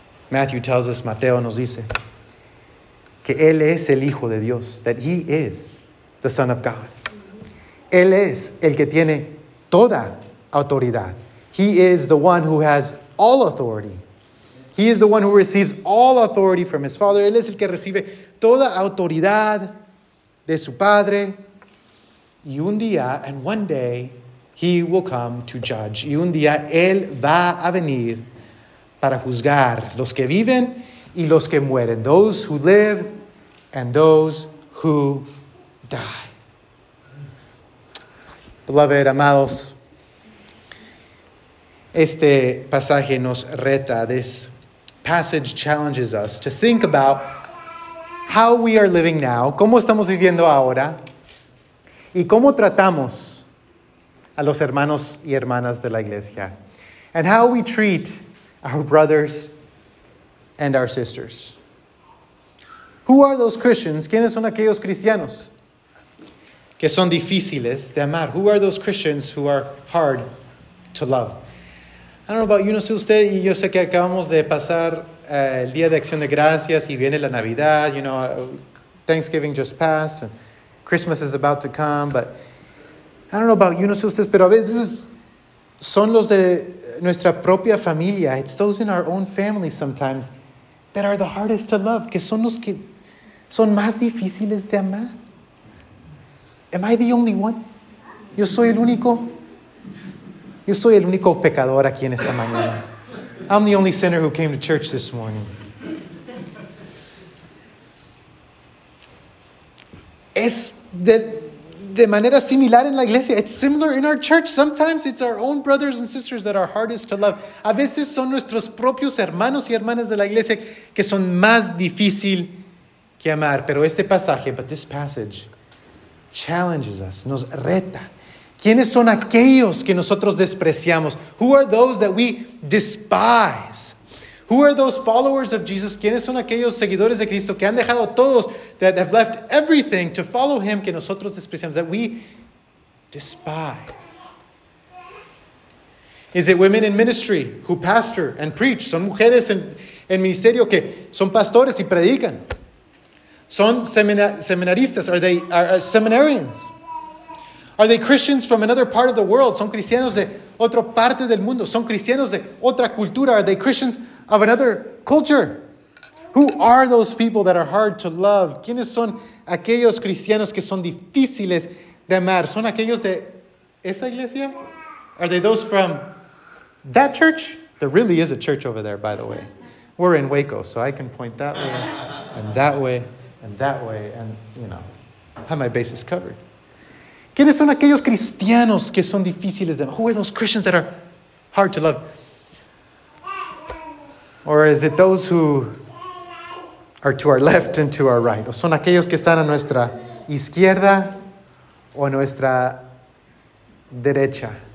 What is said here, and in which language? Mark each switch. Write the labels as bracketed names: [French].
[English] Matthew tells us, [Spanish] Mateo nos dice, que él es el Hijo de Dios, [English] that he is the Son of God. [Spanish] Él es el que tiene toda autoridad. [English] He is the one who has all authority. He is the one who receives all authority from his Father. [Spanish] Él es el que recibe toda autoridad de su Padre. Y un día, [English] and one day, he will come to judge. [Spanish] Y un día, él va a venir para juzgar los que viven y los que mueren. [English] Those who live and those who die. Beloved, [Spanish] amados, este pasaje nos reta, [English] this passage challenges us to think about how we are living now, [Spanish] cómo estamos viviendo ahora, y cómo tratamos a los hermanos y hermanas de la iglesia, [English] and how we treat our brothers and our sisters. Who are those Christians? [Spanish] ¿Quiénes son aquellos cristianos que son difíciles de amar? [English] Who are those Christians who are hard to love? I don't know about you, [Spanish] no sé usted, y yo sé que acabamos de pasar el Día de Acción de Gracias y viene la Navidad, [English] you know, Thanksgiving just passed, and Christmas is about to come, but I don't know about you, no sé usted, [Spanish] pero a veces son los de nuestra propia familia, [English] it's those in our own family sometimes that are the hardest to love, [Spanish] que son los que son más difíciles de amar. [English] Am I the only one? [Spanish] Yo soy el único. Yo soy el único pecador aquí en esta mañana. [English] I'm the only sinner who came to church this morning. [Spanish] Es de manera similar en la iglesia. [English] It's similar in our church. Sometimes it's our own brothers and sisters that are hardest to love. [Spanish] A veces son nuestros propios hermanos y hermanas de la iglesia que son más difícil que amar. Pero este pasaje, [English] but this passage challenges us, [Spanish] nos reta. ¿Quiénes son aquellos que nosotros despreciamos? [English] Who are those that we despise? Who are those followers of Jesus? [Spanish] ¿Quiénes son aquellos seguidores de Cristo que han dejado todos, [English] that have left everything to follow him, [Spanish] que nosotros despreciamos, [English] that we despise? Is it women in ministry who pastor and preach? [Spanish] ¿Son mujeres en ministerio que son pastores y predican? Son seminaristas, [English] are seminarians? Are they Christians from another part of the world? [Spanish] Son cristianos de otra parte del mundo? Son cristianos de otra cultura? [English] Are they Christians of another culture? Who are those people that are hard to love? [Spanish] ¿Quiénes son aquellos cristianos que son difíciles de amar? ¿Son aquellos de esa iglesia? [English] Are they those from that church? There really is a church over there, by the way. We're in Waco, so I can point that way, and that way, and that way, and, you know, have my bases covered. [Spanish] ¿Quiénes son aquellos cristianos que son difíciles de amar? [English] Who are those Christians that are hard to love? Or is it those who are to our left and to our right? [Spanish] ¿O son aquellos que están a nuestra izquierda o a nuestra derecha?